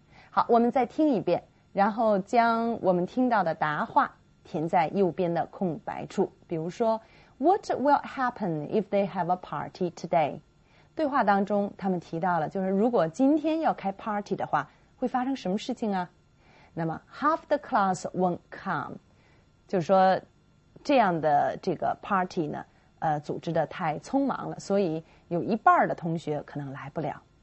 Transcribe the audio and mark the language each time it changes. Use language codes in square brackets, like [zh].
[zh] 好，我们再听一遍，然后将我们听到的答话填在右边的空白处。比如说 [en] ,What will happen if they have a party today? [zh] 对话当中他们提到了，就是如果今天要开 party 的话，会发生什么事情啊？那么 , [en] half the class won't come, [zh] 就是说这样的这个 party 呢，组织的太匆忙了，所以有一半的同学可能来不了。